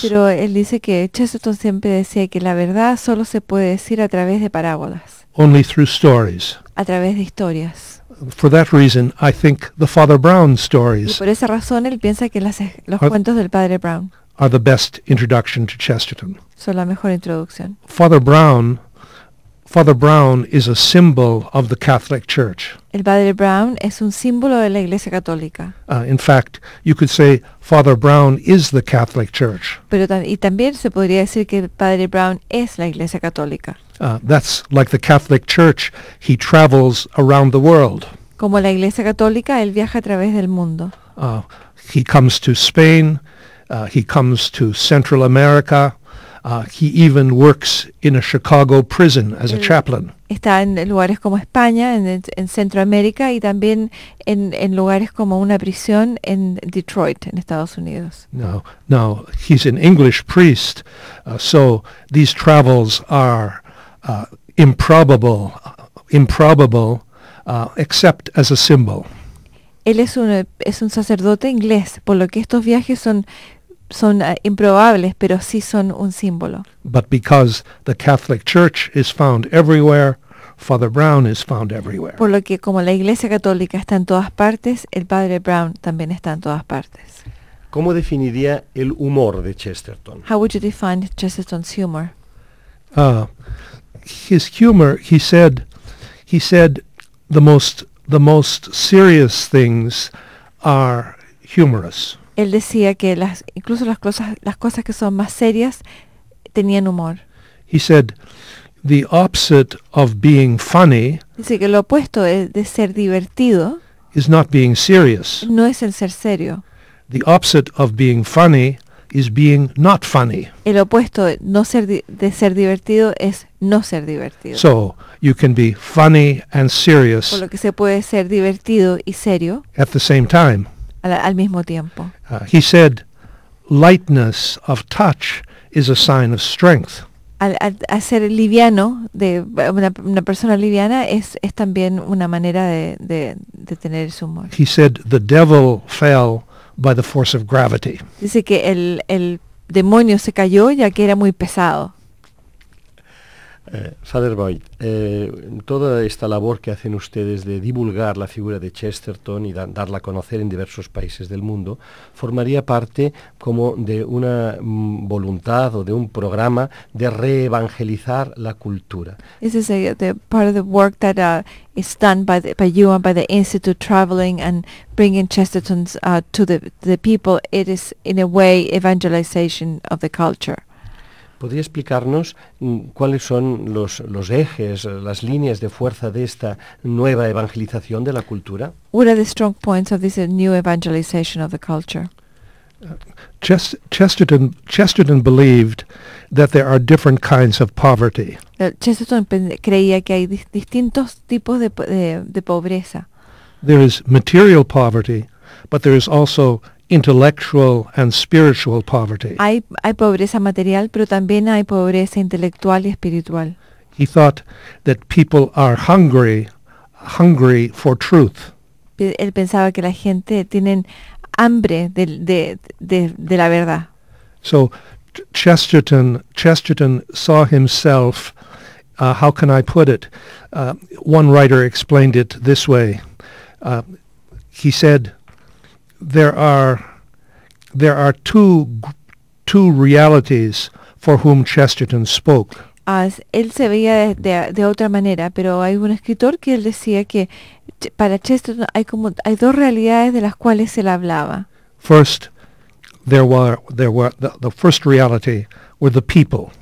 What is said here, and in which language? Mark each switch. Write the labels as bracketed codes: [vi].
[es] Pero él dice que Chesterton siempre decía que la verdad solo se puede decir a través de parábolas. [en] Only through stories. [es] A través de historias. [en] For that reason, I think the Father Brown stories. [es] Y por esa razón, él piensa que los cuentos del Padre Brown [en] are the best introduction to Chesterton. [es] Son la mejor introducción. [en] Father Brown is a symbol of the Catholic Church. [es] El Padre Brown es un símbolo de la Iglesia Católica. [en] In fact, you could say Father Brown is the Catholic Church. [es] Pero también se podría decir que el Padre Brown es la Iglesia Católica. [en] That's like the Catholic Church. He travels around the world. [es] Como la Iglesia Católica, él viaja a través del mundo. [en] He comes to Spain. He comes to Central America. He even works in a Chicago prison as a chaplain. [es] Está en lugares como España, en Centroamérica, y también en lugares como una prisión en Detroit, en Estados Unidos. [en] No, he's an English priest, so these travels are improbable, except as a symbol. [es] Él es un sacerdote inglés, por lo que estos viajes son improbables, pero sí son un símbolo. [en] But because the Catholic Church is found everywhere, Father Brown is found everywhere. [es] Por lo que como la Iglesia Católica está en todas partes, el Padre Brown también está en todas partes. ¿Cómo definiría el humor de Chesterton? [en] How would you define Chesterton's humor? His humor, he said the most serious things are humorous. [es] Él decía que incluso las cosas que son más serias tenían humor. [en] He said the opposite of being funny. [es] Dice que lo opuesto de ser divertido [en] is not being serious. [es] No es el ser serio. [en] The opposite of being funny is being not funny. [es] El opuesto de ser divertido es no ser divertido. [en] So you can be funny and serious. [es] Por lo que se puede ser divertido y serio. [en] At the same time. [es] Al mismo tiempo. [en] He said, lightness of touch is a sign of strength. [es] Al ser liviano, de una persona liviana, es también una manera de tener su humor. [en] He said, the devil fell by the force of gravity. [es] Dice que el demonio se cayó ya que era muy pesado. Father Boyd, toda esta labor que hacen ustedes de divulgar la figura de Chesterton y darla a conocer en diversos países del mundo, ¿formaría parte como de una voluntad o de un programa de reevangelizar la cultura? [en] Is this the part of the work that is done by you and by the Institute traveling and bringing Chesterton's to the people? It is in a way evangelization of the culture. [es] ¿Podría explicarnos cuáles son los ejes, las líneas de fuerza de esta nueva evangelización de la cultura? [en] What are the strong points of this new evangelization of the culture? Chesterton believed that there are different kinds of poverty. [es] Chesterton creía que hay distintos tipos de pobreza. [en] There is material poverty, but there is also intellectual and spiritual poverty. [es] Hay pobreza material, pero también hay pobreza intelectual y espiritual. [en] He thought that people are hungry for truth. [es] Él pensaba que la gente tienen hambre de la verdad. [en] So Chesterton saw himself, how can I put it? One writer explained it this way. He said, There are two realities for whom Chesterton spoke. [es] Él se veía de otra manera, pero hay un escritor que él decía que para Chesterton hay dos realidades de las cuales él hablaba. [en] First, there were the first reality were the people.